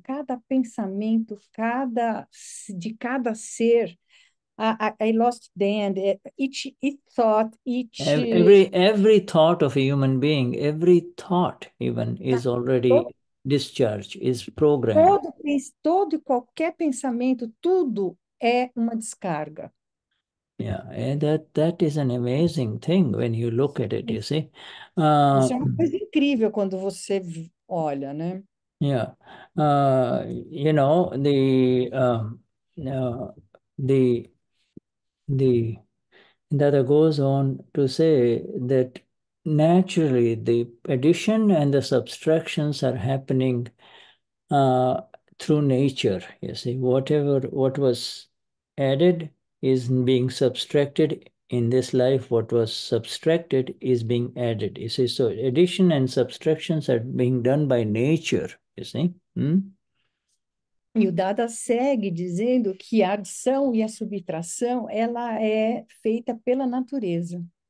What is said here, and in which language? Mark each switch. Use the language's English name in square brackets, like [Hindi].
[Portuguese] Cada pensamento, de cada ser, [English] I lost the end, each thought, Every thought of a human being, every thought even is already discharged, is programmed. [Portuguese] todo e qualquer pensamento, tudo é uma descarga. [English] Yeah, that is an amazing thing when you look at it, you see. [Portuguese] Isso é uma coisa incrível quando você olha, né? [English] You know, the Dada goes on to say that naturally the addition and the subtractions are happening through nature. You see, what was added is being subtracted in this life. What was subtracted is being added. You see, so addition and subtractions are being done by nature. You see. [Portuguese] E o Dada segue dizendo que a adição e a subtração, ela é feita pela natureza.